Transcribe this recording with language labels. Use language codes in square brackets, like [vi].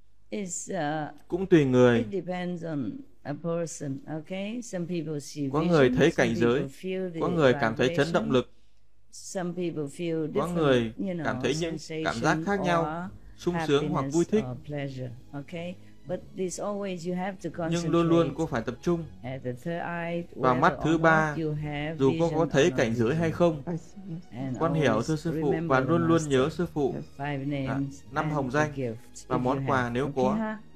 [en] Is [vi] cũng tùy người. [en] It depends on a person. Okay, some people see vision. [vi] Có người thấy cảnh giới. Có người cảm thấy chấn động lực. [en] Some people feel different. [vi] Có người cảm thấy những cảm giác khác nhau, sung sướng hoặc vui thích. [en] Or pleasure. Okay, but this always you have to concentrate. [vi] Nhưng luôn luôn cô phải tập trung. [en] At the third eye, [vi] vào mắt thứ ba, dù cô có thấy cảnh giới hay không. Con hiểu thưa sư phụ, và luôn luôn nhớ sư phụ năm hồng danh và món quà nếu có.